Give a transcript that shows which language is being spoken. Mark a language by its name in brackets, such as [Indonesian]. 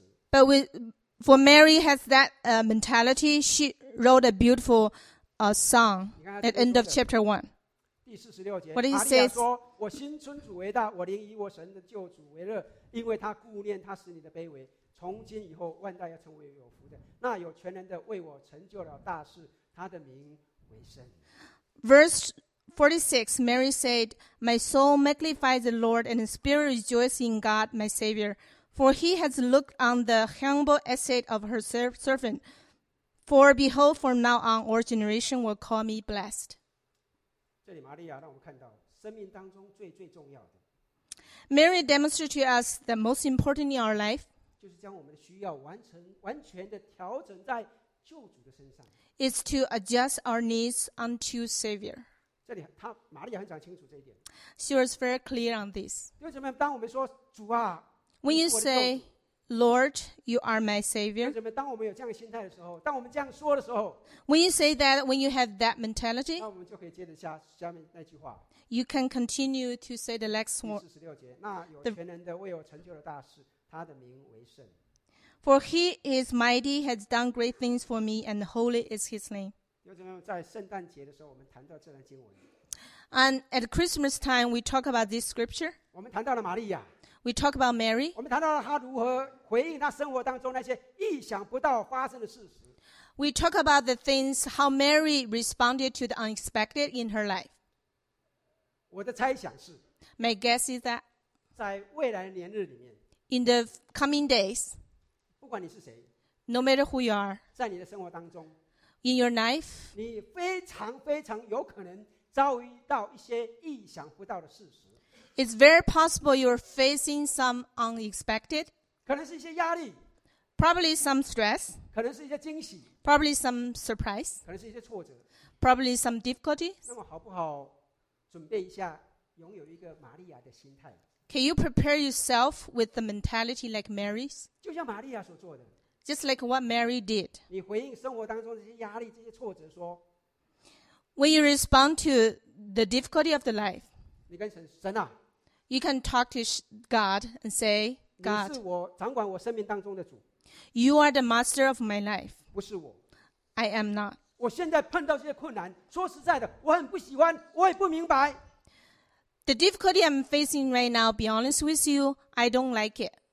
[English] But for Mary has that mentality, she wrote a beautiful song at the end of chapter 1. [Chinese] 第四十六节, [English] what he says, [Chinese] 我心尊主为大, 我灵以我神的救主为乐, 因为他顾念他使你的卑微, 从今以后万代要成为有福的, 那有全能的为我成就了大事, 他的名为圣。 [English] Verse 46, Mary said, My soul magnifies the Lord, and the spirit rejoices in God, my Savior, for he has looked on the humble estate of her servant. For behold, from now on, all generation will call me blessed. [Chinese] 这里玛利亚让我们看到生命当中最最重要的。 [English] Mary demonstrated to us the most important in our life, [Chinese] 就是将我们的需要完全地调整在救主的身上。 [English] Is to adjust our needs unto Savior. [Chinese] 这里他玛利亚很讲清楚这一点。 [English] She was very clear on this. [Chinese] 因为什么？当我们说主啊 [English] ，When you say Lord, you are my savior. [Chinese] 因为什么？当我们有这样的心态的时候，当我们这样说的时候 [English] ，When you say that, when you have that mentality, [Chinese] 那我们就可以接着下面那句话。 [English] You can continue to say the next one. [Chinese] 第四十六节，那有全能的为我成就了大事，他的名为圣。 [English] For he is mighty, has done great things for me, and holy is his name. [Chinese] 在圣诞节的时候，我们谈到这段经文。 [English] And at Christmas time, we talk about this scripture. [Chinese] 我们谈到了玛利亚。 [English] We talk about Mary. [Chinese] 我们谈到了她如何回应她生活当中那些意想不到发生的事实。 [English] We talk about the things how Mary responded to the unexpected in her life. [Chinese] 我的猜想是 [English] ，My guess is that [Chinese] 在未来的年日里面 [English] ，In the coming days， [Chinese] 不管你是谁 [English] ，No matter who you are， [Chinese] 在你的生活当中。 [English] In your life, [Chinese] 你非常非常有可能遭遇到一些意想不到的事实。 [English] It's very possible you're facing some unexpected. [Chinese] 可能是一些压力。 [English] Probably some stress. [Chinese] 可能是一些惊喜。 [English] Probably some surprise. [Chinese] 可能是一些挫折。 [English] Probably some difficulties. [Chinese] 那么好不好准备一下拥有一个玛利亚的心态。 [English] Can you prepare yourself with the mentality like Mary's? [Chinese] 就像玛利亚所做的。 [English] Just like what Mary did. [Chinese] 你回应生活当中这些压力、这些挫折说。 [English] When you respond to the difficulty of the life, [Chinese] 你跟神啊, [English] you can talk to God and say, God, [Chinese] 你是我掌管我生命当中的主。 [English] You are the master of my life. [Chinese] 不是我。 [English] I am not. [Chinese] 我现在碰到这些困难，说实在的，我很不喜欢，我也不明白。 [English] The difficulty I'm facing right now, be honest with you, I don't like it.